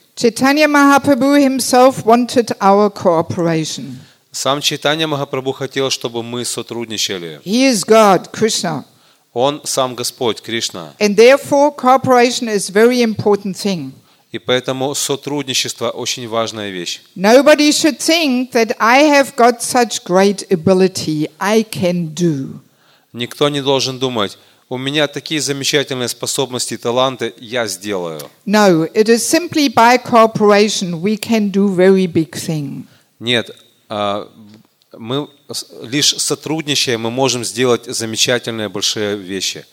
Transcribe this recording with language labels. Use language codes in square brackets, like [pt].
[en] Chaitanya Mahaprabhu himself wanted our cooperation. [ru] Сам Чайтанья Махапрабху хотел, чтобы мы сотрудничали. [en] He is God, Krishna. [ru] Он сам Господь, Кришна. [en] And therefore, cooperation is very important thing. [ru] И поэтому сотрудничество очень важная вещь. [en] Nobody should think that I have got such great ability, I can do. [ru] Никто не должен думать, у меня такие замечательные способности и таланты, я сделаю. [en] No, it is simply by cooperation we can do very big thing. [ru] Нет, мы лишь сотрудничая, мы можем сделать замечательные большие вещи.